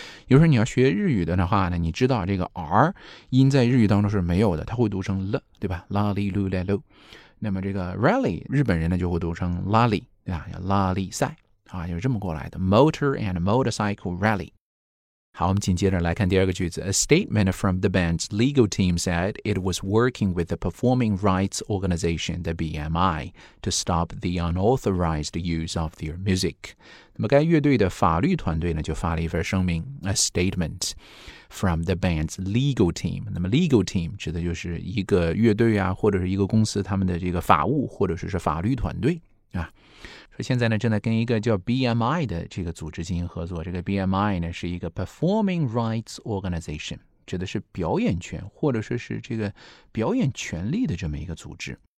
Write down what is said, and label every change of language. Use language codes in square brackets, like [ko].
[zh] 有时候你要学日语的话呢，你知道这个 r 音在日语当中是没有的，它会读成 l， 对吧？拉力噜来噜。那么这个 rally 日本人呢就会读成拉力，对吧？拉力赛啊，就是这么过来的。 [en] Motor and motorcycle rally。 [zh] 好，我们紧接着来看第二个句子。 [en] A statement from the band's legal team said it was working with the performing rights organization, the BMI, to stop the unauthorized use of their music. [zh] 那么该乐队的法律团队呢，就发了一份声明。 [en] A statement from the band's legal team. [zh] 那么 legal team 指的就是一个乐队啊，或者是一个公司他们的这个法务，或者是法律团队啊。现在呢正在跟一个叫 BMI 的这个组织进行合作。这个 BMI 呢是一个 Performing Rights Organization， 指的是表演权或者说是这个表演权利的这么一个组织。